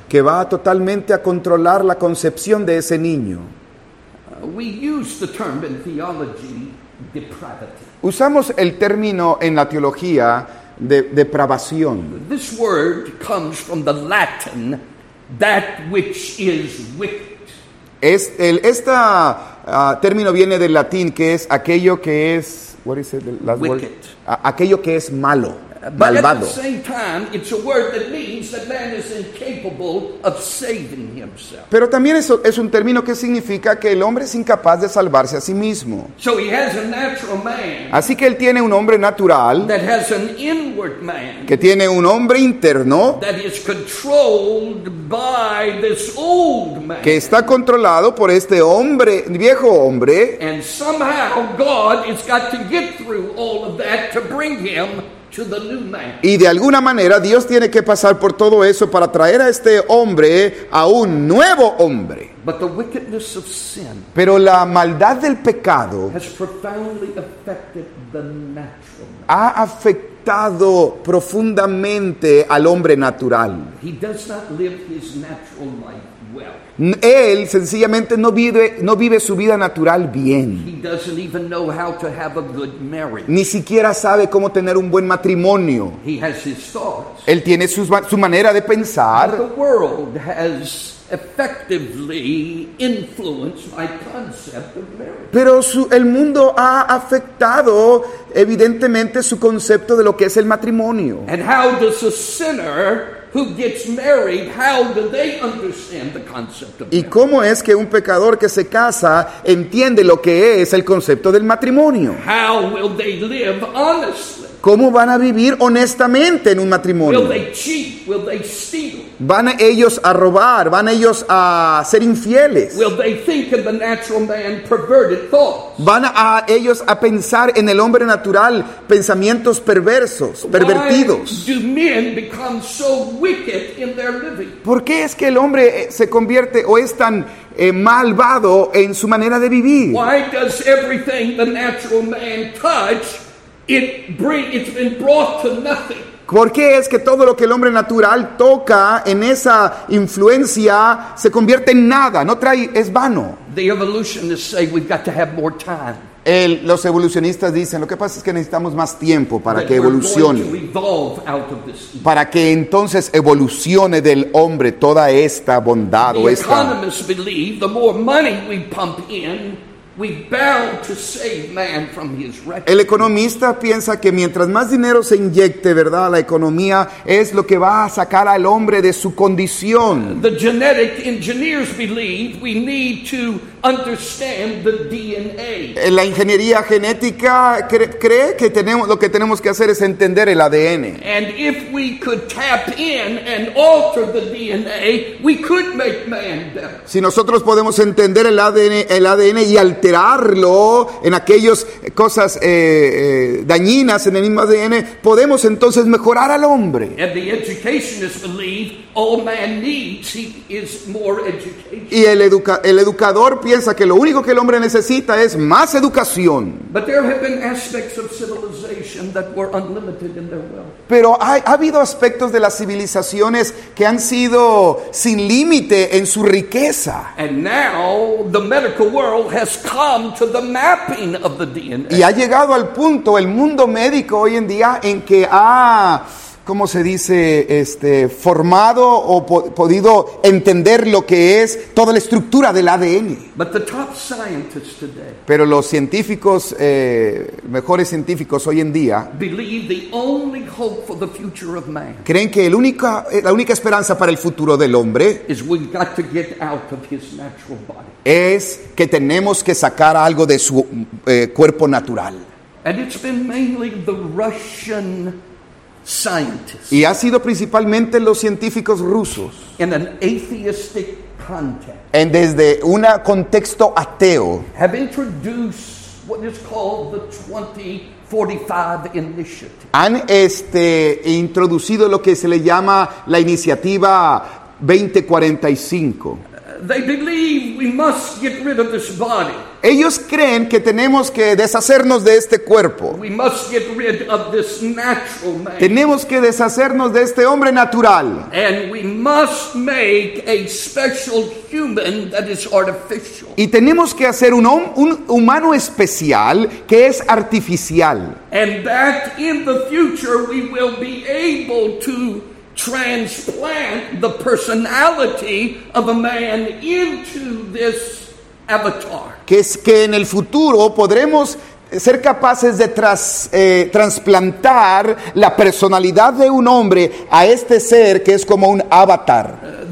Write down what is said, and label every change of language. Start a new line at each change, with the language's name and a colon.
Spanish: Que va totalmente a controlar la concepción de ese niño.
English: We use the term in theology, depravity.
Spanish: Usamos el término en la teología de depravación.
English: This word comes from the Latin, that which is wicked.
Spanish: Este término viene del latín, que es aquello que es,
English: what is it, the last wicked word?
Spanish: Aquello que es malo, malvado.
English: But at the same time, it's a word that means that man is incapable of saving himself.
Spanish: Pero también eso es un término que significa que el hombre es incapaz de salvarse a sí mismo.
English: So he has a natural man.
Spanish: Así que él tiene un hombre natural.
English: That has an inward man.
Spanish: Que tiene un hombre interno.
English: That is controlled by this old man.
Spanish: Que está controlado por este hombre, viejo hombre.
English: And somehow God has got to get through all of that to bring him to the new man.
Spanish: Y de alguna manera Dios tiene que pasar por todo eso para traer a este hombre a un nuevo hombre.
English: But the wickedness of sin,
Spanish: pero la maldad del pecado,
English: has profoundly affected the natural man.
Spanish: Ha afectado profundamente al hombre natural.
English: He does not live his natural life well.
Spanish: Él sencillamente no vive su vida natural bien.
English: He doesn't even know how to have a good marriage.
Spanish: Ni siquiera sabe cómo tener un buen matrimonio.
English: He has his thoughts.
Spanish: Él tiene su manera de pensar.
English: But the world has effectively influenced my concept of marriage.
Spanish: Pero el mundo ha afectado evidentemente su concepto de lo que es el matrimonio.
English: And how does a sinner who gets married, how do they understand the concept of marriage?
Spanish: ¿Y cómo es que un pecador que se casa entiende lo que es el concepto del matrimonio?
English: How will they live honestly?
Spanish: ¿Cómo van a vivir honestamente en un matrimonio?
English: Will they cheat? Will they steal?
Spanish: ¿Van ellos a robar? ¿Van ellos a ser infieles?
English: Will they think of the natural man perverted thoughts?
Spanish: ¿Van a ellos a pensar en el hombre natural pensamientos perversos, pervertidos?
English: Why do men become so wicked in their living?
Spanish: ¿Por qué es que el hombre se convierte o es tan malvado en su manera de vivir?
English: Why does everything the natural man touch, it's been brought to nothing?
Spanish: ¿Por qué es que todo lo que el hombre natural toca en esa influencia se convierte en nada? No trae, es vano.
English: The evolutionists say we've got to have more time.
Spanish: Los evolucionistas dicen, lo que pasa es que necesitamos más tiempo para
English: that
Spanish: que evolucione.
English: We're going to evolve out of this.
Spanish: Para que entonces evolucione del hombre toda esta bondad.
English: The
Spanish: o esta
English: economists believe the more money we pump in, we bound to save man from his wreck.
Spanish: El economista piensa que mientras más dinero se inyecte, ¿verdad?, a la economía, es lo que va a sacar al hombre de su condición.
English: The genetic engineers believe we need to understand the DNA.
Spanish: La ingeniería genética cree que lo que tenemos que hacer es entender el ADN.
English: And if we could tap in and alter the DNA, we could make man better.
Spanish: Si nosotros podemos entender el ADN y alterarlo en aquellas cosas dañinas en el mismo ADN, podemos entonces mejorar al hombre.
English: And the educationists believe all man needs is more education.
Spanish: Y el educador piensa que lo único que el hombre necesita es más educación.
English: But there have been aspects of civilization that were unlimited in their wealth.
Spanish: Pero ha habido aspectos de las civilizaciones que han sido sin límite en su riqueza.
English: And now the medical world has come to the mapping of the DNA.
Spanish: Y ha llegado al punto el mundo médico hoy en día en que ha, ¿cómo se dice?, formado o podido entender lo que es toda la estructura del ADN.
English: But the top scientists today,
Spanish: pero los científicos, mejores científicos hoy en día,
English: believe the only hope for the future of man,
Spanish: creen que la única esperanza para el futuro del hombre
English: is we've got to get out of his natural body.
Spanish: Es que tenemos que sacar algo de su cuerpo natural.
English: And it's been mainly the Russian scientists.
Spanish: Y ha sido principalmente los científicos rusos.
English: In an atheistic context.
Spanish: En desde un contexto ateo.
English: Have introduced what is called the 2045 initiative.
Spanish: Han introducido lo que se le llama la iniciativa 2045.
English: They believe we must get rid of this body.
Spanish: Ellos creen que tenemos que deshacernos de este cuerpo.
English: We must get rid of this natural man.
Spanish: Tenemos que deshacernos de este hombre natural.
English: And we must make a special human that is artificial.
Spanish: Y tenemos que hacer un humano especial que es artificial.
English: And that in the future we will be able to transplant the personality of a man into this avatar.
Spanish: Que en el futuro podremos ser capaces de trasplantar la personalidad de un hombre a este ser que es como un avatar.